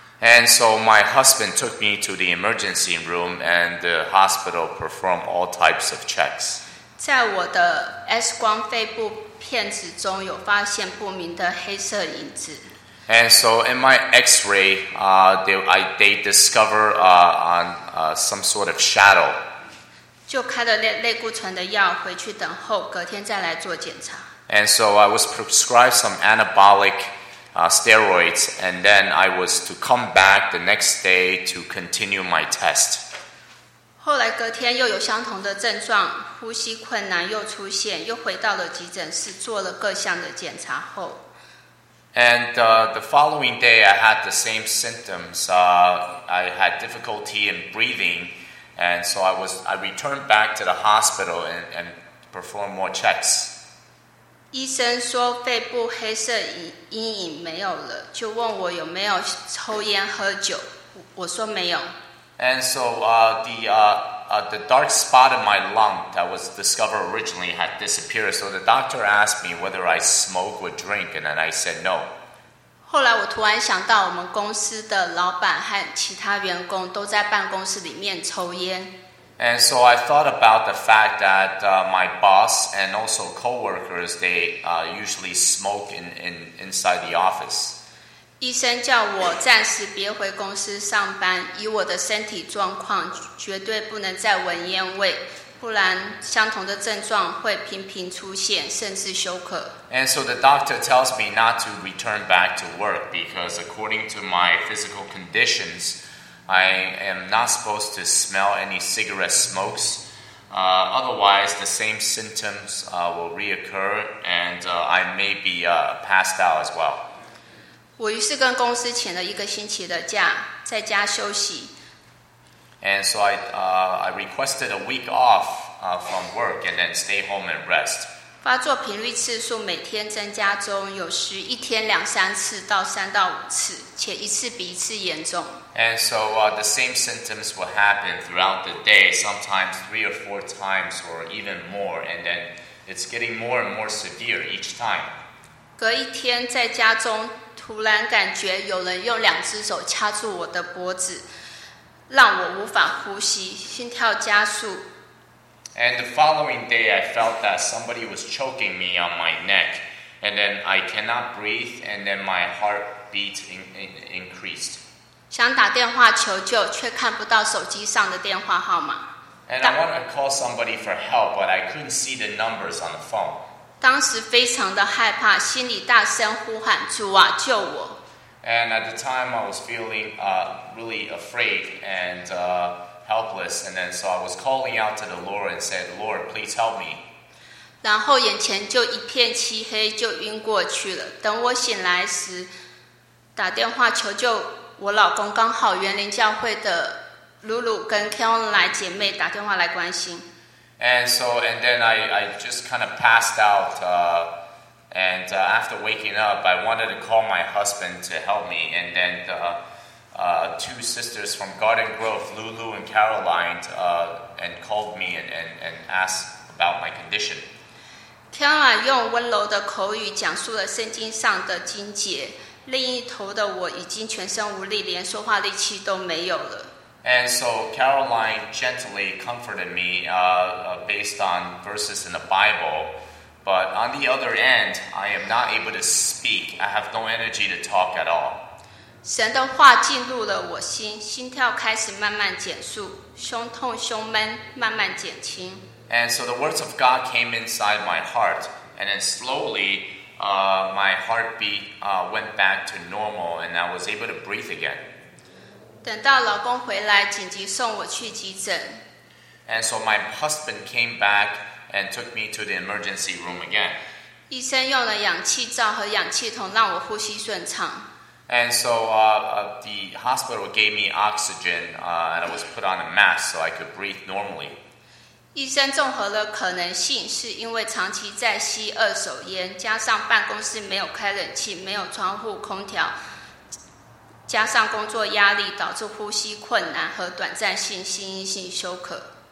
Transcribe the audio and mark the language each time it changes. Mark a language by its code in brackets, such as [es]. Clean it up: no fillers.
[en] And so my husband took me to the emergency room and the hospital performed all types of checks. [zh] 在我的 X光肺部片子中有发现不明的黑色影子。 [en] And so in my X-ray, they discover some sort of shadow. [zh] 就开了类固醇的药回去等候，隔天再来做检查。 [en] And so I was prescribed some anabolic steroids, and then I was to come back the next day to continue my test. [zh] 后来隔天又有相同的症状，呼吸困难又出现，又回到了急诊室做了各项的检查后。 [en] And the following day, I had the same symptoms. I had difficulty in breathing, and so I returned back to the hospital and performed more checks. [zh] 医生说肺部黑色阴影没有了，就问我有没有抽烟喝酒。我说没有。 [en] And so the dark spot in my lung that was discovered originally had disappeared. So the doctor asked me whether I smoke or drink, and then I said no. [zh] 后来我突然想到，我们公司的老板和其他员工都在办公室里面抽烟。 [en] And so I thought about the fact that my boss and also coworkers, they usually smoke inside the office. [zh] 医生叫我暂时别回公司上班，以我的身体状况绝对不能再闻烟味，不然相同的症状会频频出现，甚至休克。 [en] And so the doctor tells me not to return back to work because according to my physical conditions,I am not supposed to smell any cigarette smokes. Otherwise, the same symptoms will reoccur, and I may be passed out as well. [zh] 我于是跟公司请了一个星期的假，在家休息。 [en] And so I requested a week off from work and then stay home and rest. [zh] 发作频率次数每天增加中，有时一天两三次到三到五次，且一次比一次严重。 [en] And so the same symptoms will happen throughout the day, sometimes three or four times or even more, and then it's getting more and more severe each time. [zh] 隔一天在家中突然感觉有人用两只手掐住我的脖子，让我无法呼吸，心跳加速。 [en] And the following day I felt that somebody was choking me on my neck, and then I cannot breathe, and then my heartbeat increased. [zh] 想打电话求救，却看不到手机上的电话号码。 [en] And I want to call somebody for help, but I couldn't see the numbers on the phone. [zh] 当时非常的害怕，心里大声呼喊：“主啊，救我！” [en] And at the time, I was feeling really afraid and helpless. And then, so I was calling out to the Lord and said, "Lord, please help me." [zh] 然后眼前就一片漆黑，就晕过去了。等我醒来时，打电话求救。我老公刚好园林教会的露露跟 Caroline 姐妹打电话来关心。 [en] And so, and then I just kind of passed out. After waking up, I wanted to call my husband to help me. And then two sisters from Garden Grove, Lulu and Caroline, and called me and asked about my condition. [zh] Caroline 用温柔的口语讲述了圣经上的经节。另一头的我已经全身无力，连说话力气都没有了。 [en] And so Caroline gently comforted me based on verses in the Bible. But on the other end, I am not able to speak. I have no energy to talk at all. [zh] 神的话进入了我心，心跳开始慢慢减速，胸痛胸闷慢慢减轻。 [en] And so the words of God came inside my heart, and then slowly,my heartbeat went back to normal, and I was able to breathe again. [zh] 等到老公回来，紧急送我去急诊。 [en] And so my husband came back and took me to the emergency room again. [zh] 医生用了氧气罩和氧气筒让我呼吸顺畅。 [en] And so the hospital gave me oxygen, and I was put on a mask so I could breathe normally. [zh] 医生综合了可能性，是因为长期在吸二手烟，加上办公室没有开冷气，没有窗户空调，加上工作压力，导致呼吸困难和短暂性心因性休克。